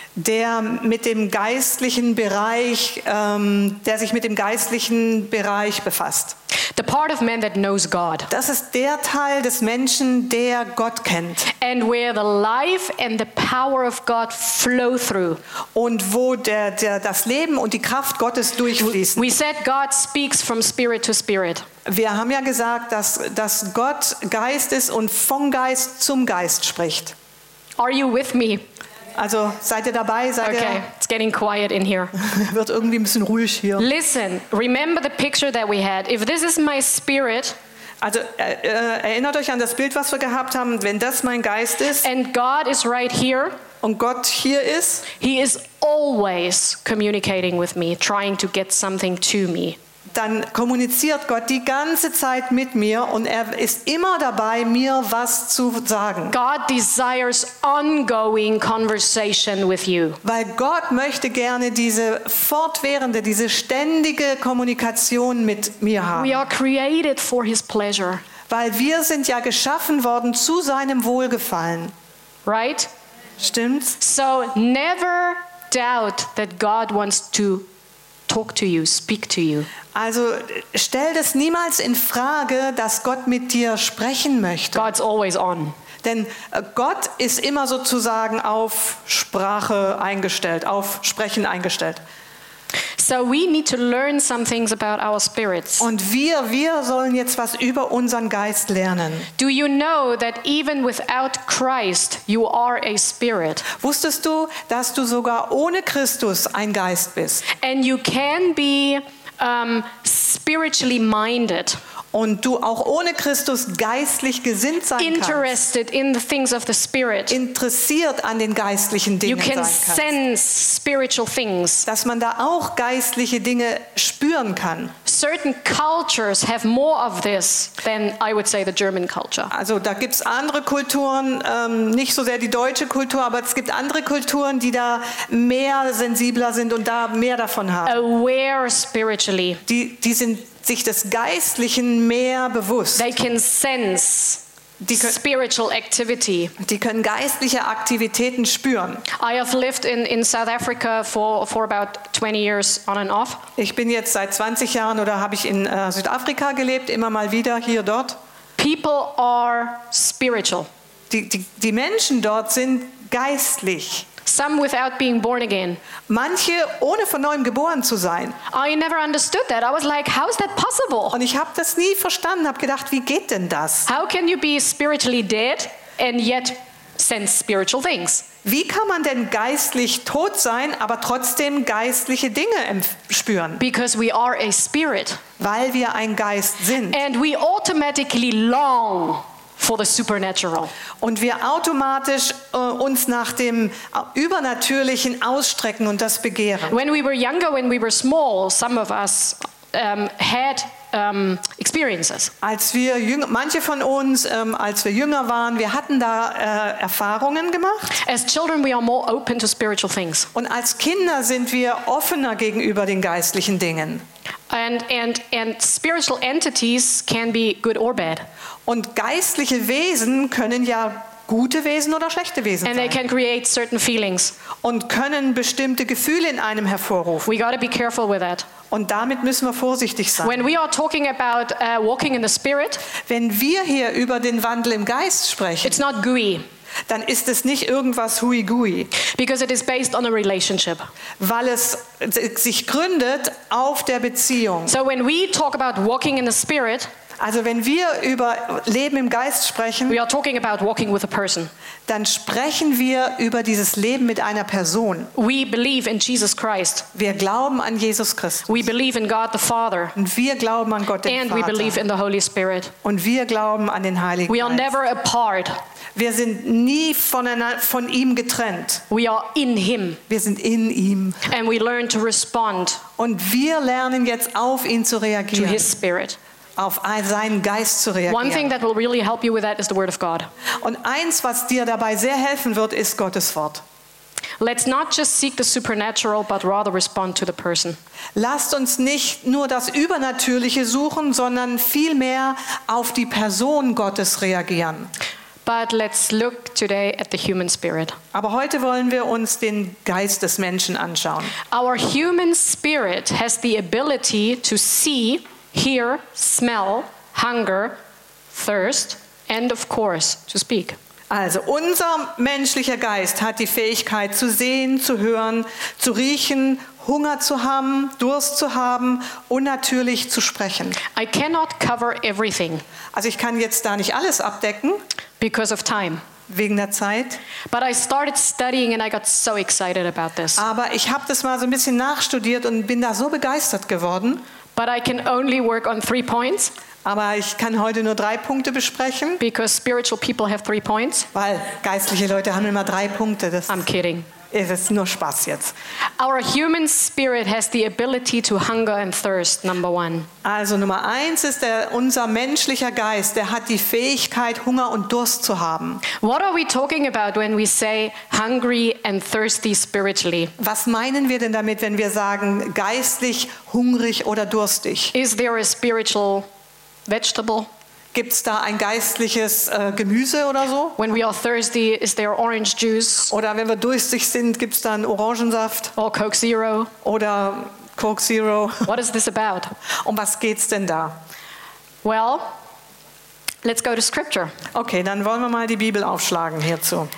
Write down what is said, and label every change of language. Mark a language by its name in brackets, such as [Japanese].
[German] Der mit dem geistlichen Bereich, der sich mit dem geistlichen Bereich befasst. [English] The part of man that knows God. [German] Das ist der Teil des Menschen, der Gott kennt. [English] And where the life and the power of God flow through. [German] Und wo das Leben und die Kraft Gottes durchfließen. [English] We said God speaks from spirit to spirit. [German] Wir haben ja gesagt, dass Gott Geist ist und vom Geist zum Geist spricht. [English] Are you with me? [German] Also seid ihr dabei? [English] Okay, it's getting quiet in here. [German] Wird irgendwie ein bisschen ruhig hier. [English] Listen, remember the picture that we had. If this is my spirit, [German] also erinnert euch an das Bild, was wir gehabt haben. Wenn das mein Geist ist, [English] and God is right here, [German] und Gott hier ist, [English] he is always communicating with me, trying to get something to me. [German] Dann kommuniziert Gott die ganze Zeit mit mir und er ist immer dabei, mir was zu sagen. [English] God desires ongoing conversation with you. [German] Weil Gott möchte gerne diese fortwährende, diese ständige Kommunikation mit mir haben. [English] We are created for his pleasure. [German] Weil wir sind ja geschaffen worden zu seinem Wohlgefallen. [English] Right? [German] Stimmt's? [English] So never doubt that God wants to talk to you, speak to you. [German] Also stell das niemals in Frage, dass Gott mit dir sprechen möchte. [English] God's always on. [German] Denn Gott ist immer sozusagen auf Sprache eingestellt, auf Sprechen eingestellt. [English] So we need to learn some things about our spirits. [German] Und wir sollen jetzt was über unseren Geist lernen. [English] Do you know that even without Christ you are a spirit? [German] Wusstest du, dass du sogar ohne Christus ein Geist bist? [English] And you can be spiritually minded. [German] Und du auch ohne Christus geistlich gesinnt sein kannst. [English] Interested in the things of the spirit. [German] Interessiert an den geistlichen Dingen sein kannst. [English] You can sense spiritual things. [German] Dass man da auch geistliche Dinge spüren kann. [English] Certain cultures have more of this than I would say the German culture. [German] Also da gibt's andere Kulturen, nicht so sehr die deutsche Kultur, aber es gibt andere Kulturen, die da mehr sensibler sind und da mehr davon haben. [English] Aware spiritually. [German] Die sind sich des Geistlichen mehr bewusst. [English] They can sense spiritual activity. [German] Die können geistliche Aktivitäten spüren. [English] I have lived in South Africa for about 20 years on and off. [German] Ich bin jetzt seit 20 Jahren oder habe ich in Südafrika gelebt, immer mal wieder hier dort. [English] People are spiritual. [German] Die Menschen dort sind geistlich. [English] Some without being born again. [German] Manche ohne von neuem geboren zu sein. [English] I never understood that. I was like, how is that possible? [German] Und ich habe das nie verstanden, habe gedacht, wie geht denn das? [English] How can you be spiritually dead and yet sense spiritual things? [German] Wie kann man denn geistlich tot sein, aber trotzdem geistliche Dinge spüren? [English] Because we are a spirit. [German] Weil wir ein Geist sind. [English] And we automatically long for the supernatural. [German] Und wir automatisch uns nach dem Übernatürlichen ausstrecken und das begehren. [English] When we were younger, when we were small, some of us had experiences. [German] Als wir jünger waren, wir hatten da Erfahrungen gemacht. [English] As children, we are more open to spiritual things. [German] Und als Kinder sind wir offener gegenüber den geistlichen Dingen. [English] And spiritual entities can be good or bad. [German] Und geistliche Wesen können ja gute Wesen oder schlechte Wesen sein. [English] And they can create certain feelings. [German] Und können bestimmte Gefühle in einem hervorrufen. [English] We gotta be careful with that. [German] Und damit müssen wir vorsichtig sein. [English] When we are talking about walking in the spirit, [German] wenn wir hier über den Wandel im Geist sprechen, [English] it's not gooey. [German] Dann ist es nicht irgendwas hui gui. [English] Because it is based on a relationship. [German] Weil es sich gründet auf der Beziehung. [English] So when we talk about walking in the spirit, [German] also wenn wir über Leben im Geist sprechen, [English] we are talking about walking with a person. [German] Dann sprechen wir über dieses Leben mit einer Person. [English] We believe in Jesus Christ. [German] Wir glauben an Jesus Christus. [English] We believe in God the Father. [German] Und wir glauben an Gott den [English] And [German] Vater. [English] We believe in the Holy Spirit. [German] Und wir glauben an den Heiligen [English] we [German] Geist. [English] We are never apart. [German] Wir sind nie von ihm getrennt. [English] We are in him. [German] Wir sind in ihm. [English] And we learn to respond. [German] Und wir lernen jetzt auf ihn zu reagieren. [English] To his spirit. [German] Auf seinen Geist zu reagieren. [English] One thing that will really help you with that is the word of God. [German] Und eins, was dir dabei sehr helfen wird, ist Gottes Wort. [English] Let's not just seek the supernatural, but rather respond to the person. [German] Lasst uns nicht nur das Übernatürliche suchen, sondern vielmehr auf die Person Gottes reagieren. [English] But let's look today at the human spirit. [German] Aber heute wollen wir uns den Geist des Menschen anschauen. [English] Our human spirit has the ability to see, hear, smell, hunger, thirst, and of course to speak. [German] Also unser menschlicher Geist hat die Fähigkeit zu sehen, zu hören, zu riechen, Hunger zu haben, Durst zu haben und natürlich zu sprechen. [English] I cannot cover everything. [German] Also ich kann jetzt da nicht alles abdecken. [English] Because of time. [German] Wegen der Zeit. [English] But I started studying and I got so excited about this. [German] Aber ich habe das mal so ein bisschen nachstudiert und bin da so begeistert geworden. [English] But I can only work on 3 points. [German] Aber ich kann heute nur 3 Punkte besprechen. [English] Because spiritual people have 3 points. [German] Weil geistliche Leute haben immer 3 Punkte. Das [English] I'm kidding. [German] Es ist nur Spaß jetzt. [English] Our human spirit has the ability to hunger and thirst, number one. [German] Also Nummer eins ist unser menschlicher Geist, der hat die Fähigkeit, Hunger und Durst zu haben. [English] What are we talking about when we say hungry and thirsty spiritually? [German] Was meinen wir denn damit, wenn wir sagen, geistlich, hungrig oder durstig? [English] Is there a spiritual vegetable? [German] Gibt's da ein geistliches Gemüse oder so? [English] When we are thirsty, is there orange juice? [German] Oder wenn wir durstig sind, gibt's da einen Orangensaft? [English] Or Coke Zero? [German] Oder Coke Zero? [English] What is this about? [German] Um was geht's denn da? [English] Well, Let's go to scripture. [German] Okay, dann wollen wir mal die Bibel aufschlagen hierzu.